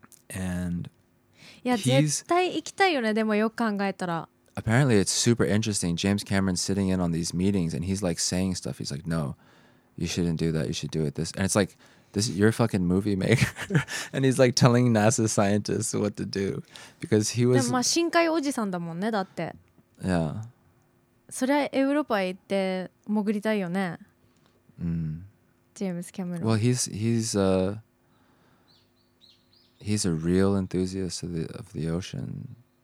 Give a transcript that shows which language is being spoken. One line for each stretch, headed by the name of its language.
English: And apparently it's super interesting. James Cameron sitting in on these meetings and he's like saying stuff. He's like, no, you shouldn't do that. You should do it this. And it's like, this is your fucking movie maker. And he's like telling NASA scientists what to do because he was.
Japanese: でもまあ深海おじさんだもんね。だって。
English: Yeah.
Japanese: そりゃエウロパ行って潜りたいよね。
English: James Cameron. Well, he's a real enthusiast of the ocean.